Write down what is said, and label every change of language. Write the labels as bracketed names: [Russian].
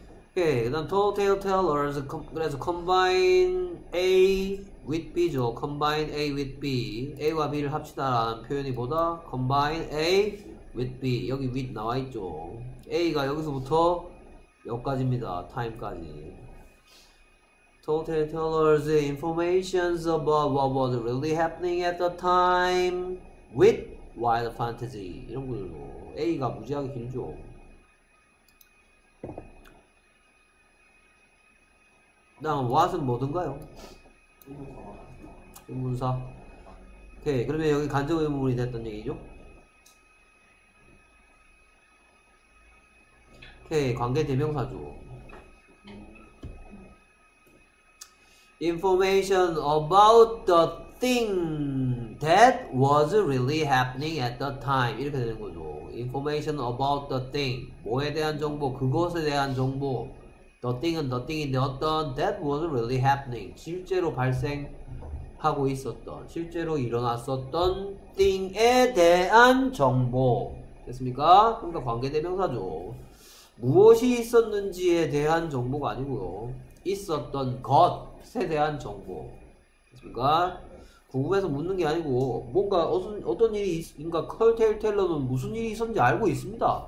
[Korean] 오케이. 그 다음, [English] tall tale tellers. [Korean] 그래서 [English] combine A with B죠. combine A with B. [Korean] A와 B를 합치다라는 표현이 뭐다? [English] combine A with B. [Korean] 여기 [English] with [Korean] 나와 있죠. A가 여기서부터 여기까지입니다. time까지. [English] Tall tale tellers, the informations about what was really happening at the time with wild fantasy. [Korean] 이런 거죠. A가 무지하게 길죠. 다음, what은 뭐든가요? 의문사. 오케이. 그러면 여기 간접 의문이 됐던 얘기죠? 오케이. 관계 대명사죠. [English] Information about the thing that was really happening at the time. [Korean] 이렇게 되는 거죠. [English] Information about the thing. [Korean] 뭐에 대한 정보, 그것에 대한 정보. [English] The thing은 the thing인데 [Korean] 어떤 [English] that was really happening. [Korean] 실제로 발생하고 있었던, 실제로 일어났었던 thing에 대한 정보. 됐습니까? 그러니까 관계대명사죠. 무엇이 있었는지에 대한 정보가 아니고요. 있었던 것에 대한 정보. 그러니까 궁금해서 묻는 게 아니고 뭔가 어떤 일이 그러니까 컬테일 텔러는 무슨 일이 있었는지 알고 있습니다.